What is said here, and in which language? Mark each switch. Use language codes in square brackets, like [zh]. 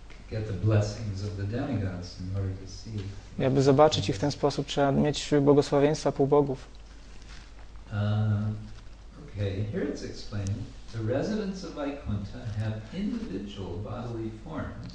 [en] Get the blessings of the demigods in order to see. [pl] Aby zobaczyć ich w ten sposób, trzeba mieć błogosławieństwa półbogów. [en] Okay, here it's explained. The residents of Vaikuntha have individual bodily forms.